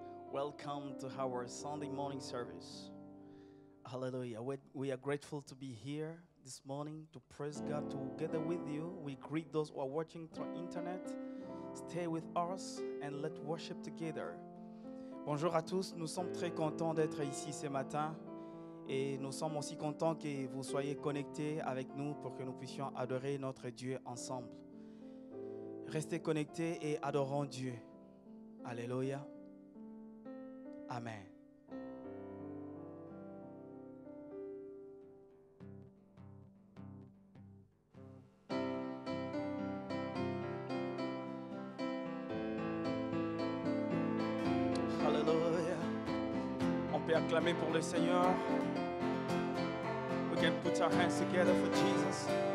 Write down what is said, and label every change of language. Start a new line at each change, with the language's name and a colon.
English: Welcome to our Sunday morning service. Hallelujah. We are grateful to be here this morning to praise God together with you. We greet those who are watching through internet. Stay with us and let's worship together.
French: Bonjour à tous. Nous sommes très contents d'être ici ce matin. Et nous sommes aussi contents que vous soyez connectés avec nous pour que nous puissions adorer notre Dieu ensemble. Restez connectés et adorons Dieu. Alléluia. Amen. Alléluia. On peut acclamer pour le Seigneur.
English: We can put our hands together for Jesus.